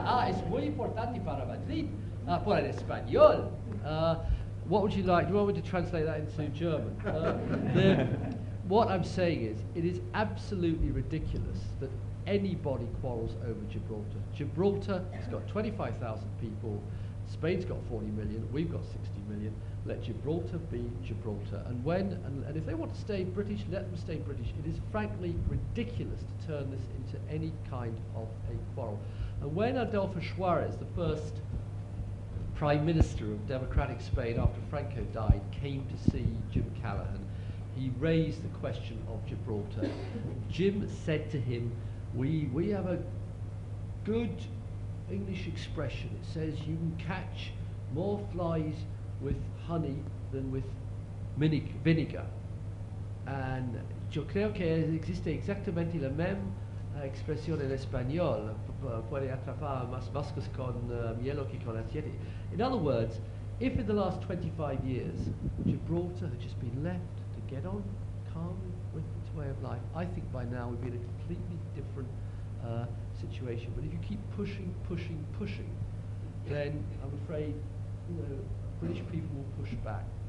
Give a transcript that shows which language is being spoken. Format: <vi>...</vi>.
<es>es muy importante para Madrid, por el español.</es> <en>What would you like? Do you want me to translate that into German? What I'm saying is, it is absolutely ridiculous that anybody quarrels over Gibraltar. Gibraltar has got 25,000 people, Spain's got 40 million, we've got 60 million, let Gibraltar be Gibraltar. And if they want to stay British, let them stay British. It is frankly ridiculous to turn this into any kind of a quarrel. And when Adolfo Suarez, the first Prime Minister of Democratic Spain after Franco died, came to see Jim Callaghan, he raised the question of Gibraltar. Jim said to him, We have a good English expression. It says you can catch more flies with honey than with vinegar.</en> <es>And yo creo que existe exactamente la misma expresión en español. Puede atrapar más moscas con miel que con aceite.</es> <en>In other words, if in the last 25 years Gibraltar had just been left to get on calmly with its way of life, I think by now we'd be in a completely different situation. But if you keep pushing, then I'm afraid, British people will push back.</en>